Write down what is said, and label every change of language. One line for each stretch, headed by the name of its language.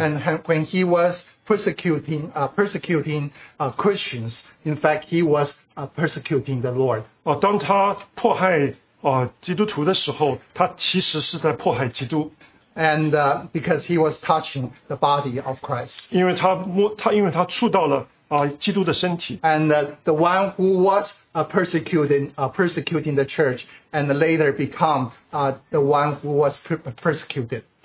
English: And when he was persecuting Christians, in fact, he was persecuting the Lord.
Chinese: 当他迫害基督徒的时候，他其实是在迫害基督。
English: And because he was touching the body of Christ.
Chinese: 因为他触到了基督的身体。
English: And the one who was persecuting the church and later become the one who was persecuted.